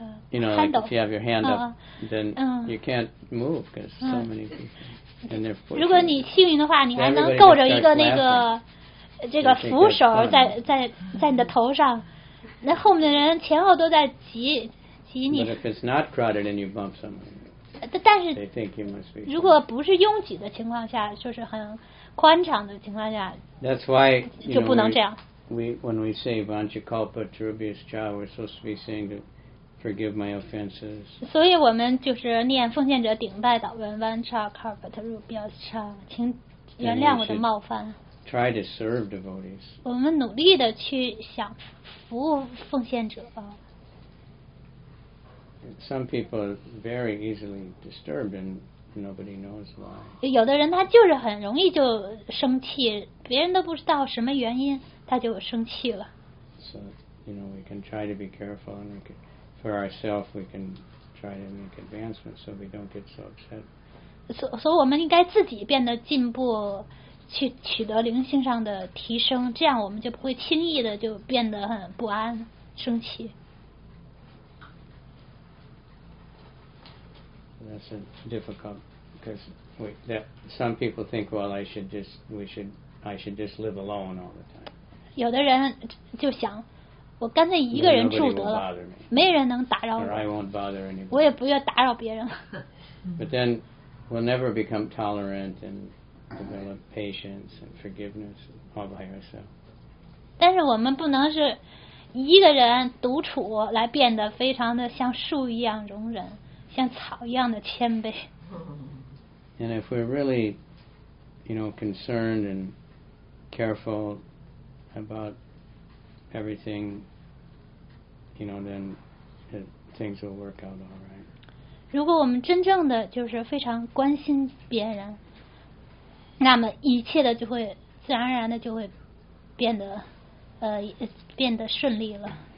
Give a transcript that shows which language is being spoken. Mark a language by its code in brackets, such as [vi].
[en] You know, like if you have your hand up, then you can't move because so many people. And they're pushing. [zh] 如果你幸运的话，你还能够着一个那个这个扶手在你的头上，那后面的人前后都在挤你。 [en] But if it's not crowded and you bump someone, [zh] 但是 [en] they think you must be. [zh] 如果不是拥挤的情况下，就是很宽敞的情况下， [en] That's why [zh] 就不能这样。 [en] We when we say Vanchakalpa Turubius Cha, we're supposed to be saying to. Forgive my offenses. [zh] 所以我们就是念奉献者顶拜祷文 Vancha Karpat Rubyascha 请原谅我的冒犯。 [en] Try to serve devotees. [zh] 我们努力的去想服务奉献者。 [en] Some people are very easily disturbed and nobody knows why. [zh] 有的人他就是很容易就生气，别人都不知道什么原因他就生气了。 [en] So, you know, we can try to be careful and we can. For ourselves, we can try to make advancements so we don't get so upset. [zh] So, 我们应该自己变得进步，去取得灵性上的提升，这样我们就不会轻易的就变得很不安、生气。 [en] That's a difficult because some people think, well, I should just live alone all the time. [zh] 有的人就想，我干脆一个人住得了，没人能打扰我。 [en] Or I won't bother anybody. [zh] 我也不要打扰别人了。 [en] But then we'll never become tolerant and develop patience and forgiveness all by yourself. [zh] 但是我们不能是一个人独处来变得非常的像树一样容忍，像草一样的谦卑。 [en] And if we're really, you know, concerned and careful about everything, you know, then things will work out all right. [zh] 如果我们真正的就是非常关心别人，那么一切的就会自然而然的就会变得变得顺利了。